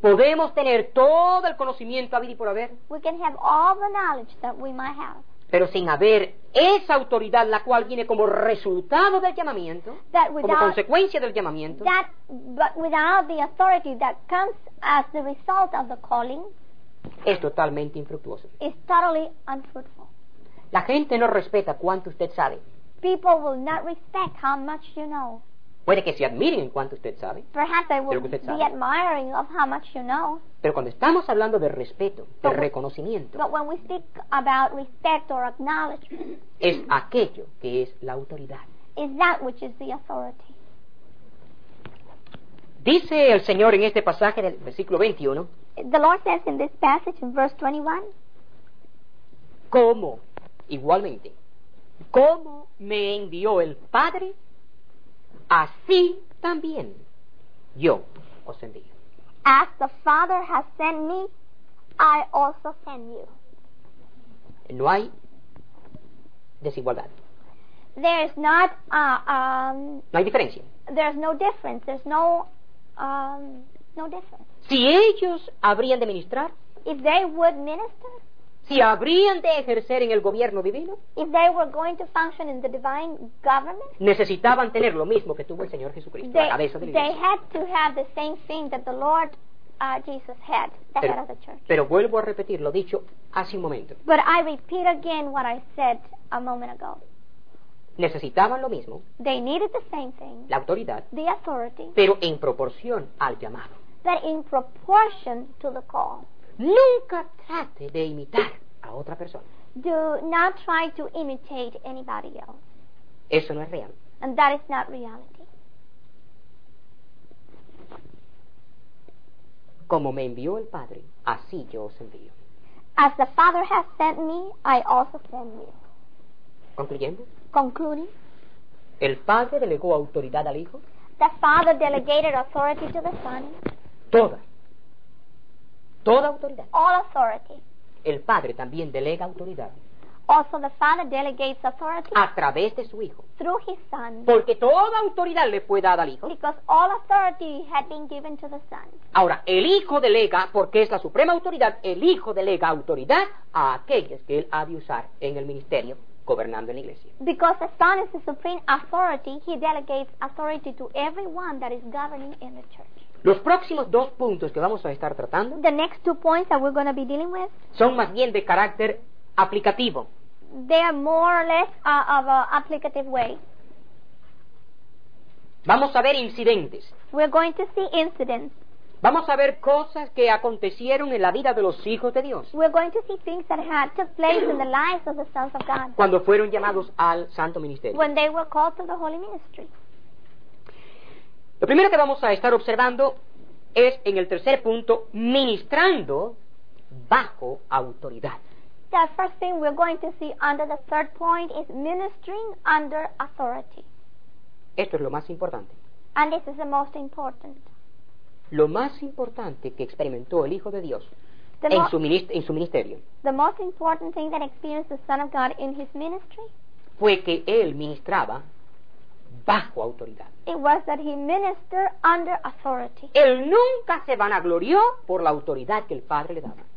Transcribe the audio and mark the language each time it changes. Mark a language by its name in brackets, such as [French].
[Spanish] Podemos tener todo el conocimiento habido y por haber. [English] We can have all the knowledge that we might have. [Spanish] Pero sin haber esa autoridad, la cual viene como resultado del llamamiento, como consecuencia del llamamiento, [English] that, but without the authority that comes as the result of the calling, [Spanish] es totalmente infructuoso. [English] Is totally unfruitful. [Spanish] La gente no respeta cuánto usted sabe. [English] People will not respect how much you know. [Spanish] Puede que se admiren en cuanto usted sabe. [English] Perhaps they will be admiring of how much you know. [Spanish] Pero cuando estamos hablando de respeto, de reconocimiento, [English] but when we speak about respect or acknowledgement, [Spanish] es aquello que es la autoridad. [English] Is that which is the authority. [Spanish] Dice el Señor en este pasaje del versículo 21. [English] The Lord says in this passage in verse 21. [Spanish] ¿Cómo? Igualmente. ¿Cómo me envió el Padre? Así también yo os envío. [English] As the Father has sent me, I also send you. [Spanish] No hay desigualdad. [English] There's not [Spanish] no hay diferencia. [English] There's no difference. There's no no difference. [Spanish] Si ellos habrían de ministrar, [English] if they would minister, [Spanish] si habrían de ejercer en el gobierno divino, [English] if they were going to function in the divine government, [Spanish] necesitaban tener lo mismo que tuvo el Señor Jesucristo, [English] they, [Spanish] la cabeza de la iglesia. [English] They had to have the same thing that the Lord Jesus had, the head of the church. [Spanish] Pero vuelvo a repetir lo dicho hace un momento. [English] But I repeat again what I said a moment ago. [Spanish] Necesitaban lo mismo. [English] They needed the same thing. [Spanish] La autoridad. [English] The authority. [Spanish] Pero en proporción al llamado. [English] But in proportion to the call. [Spanish] Nunca trate de imitar a otra persona. [English] Do not try to imitate anybody else. [Spanish] Eso no es real. [English] And that is not reality. [Spanish] Como me envió el Padre, así yo os envío. [English] As the Father has sent me, I also send you. [Spanish] Concluyendo. [English] Concluding. [Spanish] El Padre delegó autoridad al Hijo. [English] The Father delegated authority to the Son. [Spanish] Toda. Toda autoridad. [English] All authority. [Spanish] El Padre también delega autoridad. [English] Also the Father delegates authority. [Spanish] A través de su Hijo. [English] Through his Son. [Spanish] Porque toda autoridad le fue dada al Hijo. [English] Because all authority had been given to the Son. [Spanish] Ahora, el Hijo delega, porque es la suprema autoridad, el Hijo delega autoridad a aquellos que él ha de usar en el ministerio, gobernando en la iglesia. [English] Because the Son is the supreme authority, he delegates authority to everyone that is governing in the church. [Spanish] Los próximos dos puntos que vamos a estar tratando, [English] the next two points that we're going to be dealing with, [Spanish] son más bien de carácter aplicativo. [English] They are more or less of an applicative way. [Spanish] Vamos a ver incidentes. [English] We're going to see incidents. [Spanish] Vamos a ver cosas que acontecieron en la vida de los hijos de Dios. [English] We're going to see things that had took place in the lives of the sons of God. [Spanish] Cuando fueron llamados al santo ministerio. [English] When they were called to the holy ministry. [Spanish] Lo primero que vamos a estar observando es en el tercer punto, ministrando bajo autoridad. [English] The first thing we're going to see under the third point is ministering under authority. [Spanish] Esto es lo más importante. [English] And this is the most important. [Spanish] Lo más importante que experimentó el Hijo de Dios en su ministerio. [English] The most important thing that experienced the Son of God in his ministry [Spanish] fue que él ministraba bajo autoridad. [English] It was that he ministered under authority. [Spanish] Él nunca se vanaglorió por la autoridad que el Padre le daba.